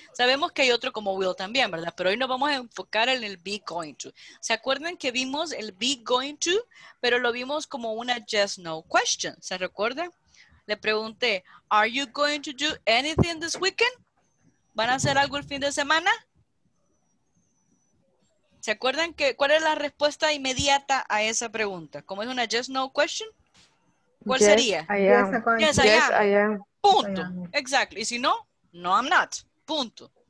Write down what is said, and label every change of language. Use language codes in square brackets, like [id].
[es] Sabemos que hay otro como will también, ¿verdad? Pero hoy nos vamos a enfocar en el be going to. ¿Se acuerdan que vimos el be going to? Pero lo vimos como una just no question. ¿Se recuerdan? Le pregunté, [en] are you going to do anything this weekend? [es] ¿Van a hacer algo el fin de semana? ¿Se acuerdan que cuál es la respuesta inmediata a esa pregunta? ¿Cómo es una just no question? ¿Cuál [en] yes, [es] sería? [en] Yes, I am. [es] Punto. Exacto. Y si no, [en] no, I'm not. [es] Punto.